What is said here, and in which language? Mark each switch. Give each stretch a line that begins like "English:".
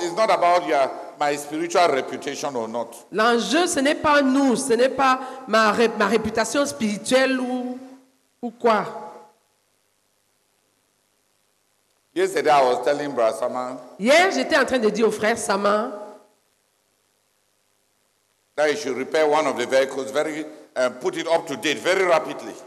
English: It's not about your my spiritual reputation or not.
French: L'enjeu, ce n'est pas nous. Ce n'est pas ma réputation spirituelle ou quoi.
English: Yesterday, I was telling Brother Saman.
French: Hier, j'étais en train de dire au frère Saman.
English: That you should repair one of the vehicles very and put it up to date very rapidly.